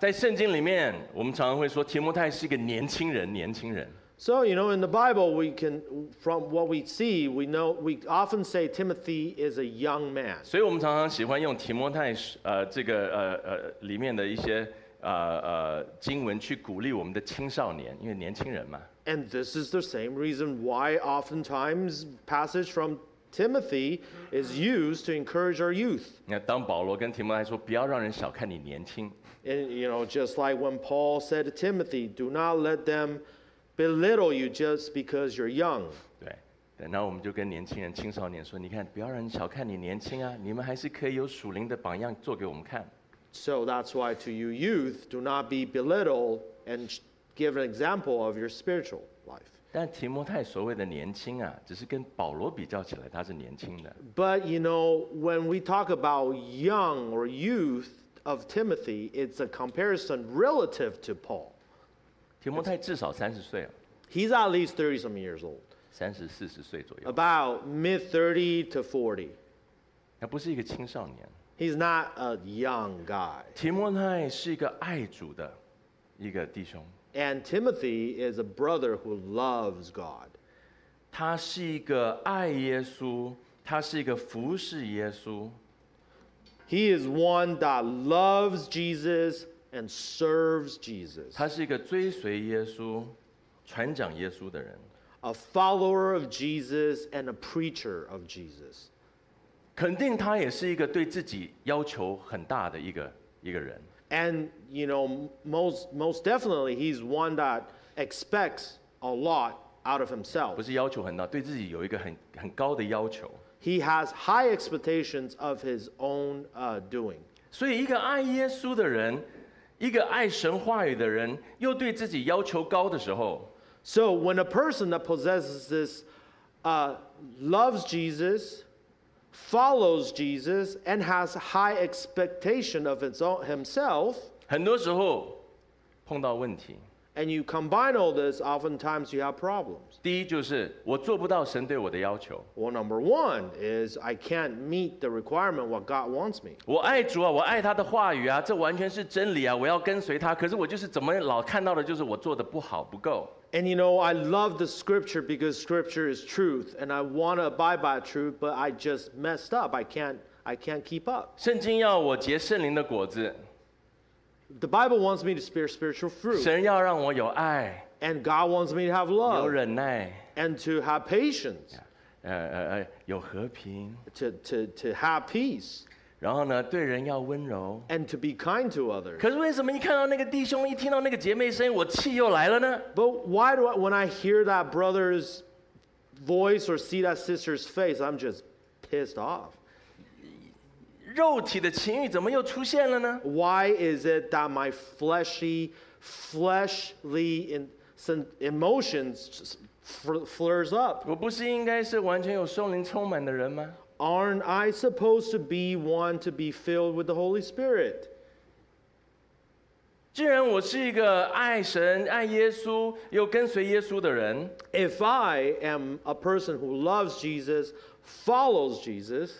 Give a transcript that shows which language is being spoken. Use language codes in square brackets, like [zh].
[zh] 在圣经里面，我们常常会说提摩太是一个年轻人，年轻人。 [en] So you know, in the Bible, we can, from what we see, we know we often say Timothy is a young man. [zh] 所以我们常常喜欢用提摩太这个里面的一些经文去鼓励我们的青少年，因为年轻人嘛。 [en] And this is the same reason why oftentimes passage from Timothy is used to encourage our youth. [zh] 那当保罗跟提摩太说，不要让人小看你年轻。 [en] And you know, just like when Paul said to Timothy, "Do not let them belittle you just because you're young." [zh] 对，然后我们就跟年轻人、青少年说，你看，不要让人小看你年轻啊，你们还是可以有属灵的榜样做给我们看。 [en] So that's why to you youth, do not be belittled and give an example of your spiritual life. [zh] 但提摩太所谓的年轻啊，只是跟保罗比较起来，他是年轻的。 [en] But you know, when we talk about young or youth of Timothy, it's a comparison relative to Paul. [zh] 提摩太至少三十岁了。 [en] He's at least 30 some years old. [zh] 三十四十岁左右。 [en] About mid-30 to 40. [zh] 他不是一个青少年。 [en] He's not a young guy. [zh] 提摩太是一个爱主的一个弟兄。 [en] And Timothy is a brother who loves God. [zh] 他是一个爱耶稣，他是一个服侍耶稣。 [en] He is one that loves Jesus and serves Jesus. [zh] 他是一个追随耶稣、传讲耶稣的人。 [en] A follower of Jesus and a preacher of Jesus. [zh] 肯定他也是一个对自己要求很大的一个人。 [en] And you know, most definitely, he's one that expects a lot out of himself. [zh] 不是要求很大，对自己有一个很高的要求。 [en] He has high expectations of his own doing. [zh] 所以，一个爱耶稣的人，一个爱神话语的人，又对自己要求高的时候 [en] ，So when a person that possesses this, loves Jesus. Follows Jesus and has high expectation of its own, himself. [zh] 很多时候碰到问题。 [en] And you combine all this, oftentimes you have problems. [zh] 第一就是我做不到神对我的要求。 [en] Well, number one is I can't meet the requirement what God wants me. [zh] 我爱主啊，我爱他的话语啊，这完全是真理啊，我要跟随他。可是我就是怎么老看到的就是我做的不好，不够。 [en] And you know, I love the scripture because scripture is truth, and I want to abide by truth, but I just messed up. I can't keep up. [zh] 圣经要我结圣灵的果子。 [en] The Bible wants me to bear spiritual fruit. [zh] 神要让我有爱。 [en] And God wants me to have love. [zh] 有忍耐。 [en] And to have patience. [zh] 有和平。 [en] To have peace. [zh] 然后呢，对人要温柔。 [en] And to be kind to others. [zh] 可是为什么一看到那个弟兄，一听到那个姐妹声音，我气又来了呢 [en] ？But why do I, when I hear that brother's voice or see that sister's face, I'm just pissed off. [zh] 肉体的情欲怎么又出现了呢 [en] ？Why is it that my fleshly emotions flares up? [zh] 我不是应该是完全有圣灵充满的人吗？ [en] Aren't I supposed to be one to be filled with the Holy Spirit? [zh] 既然我是一个爱神、爱耶稣又跟随耶稣的人 [en] ，If I am a person who loves Jesus, follows Jesus,